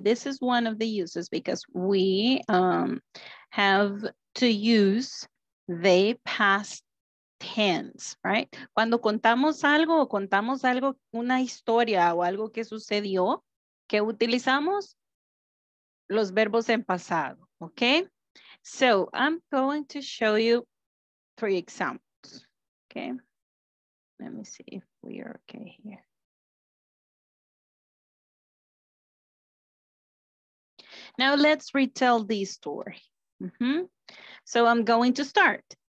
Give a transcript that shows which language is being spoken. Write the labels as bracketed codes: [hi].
[en] This is one of the uses because we have to use the past tense, right? [es] Cuando contamos algo o contamos algo, una historia o algo que sucedió, ¿qué utilizamos? Los verbos en pasado, okay? [en] So, I'm going to show you three examples, okay? Let me see if we are okay here. Now let's retell the story. Mm-hmm. So I'm going to start.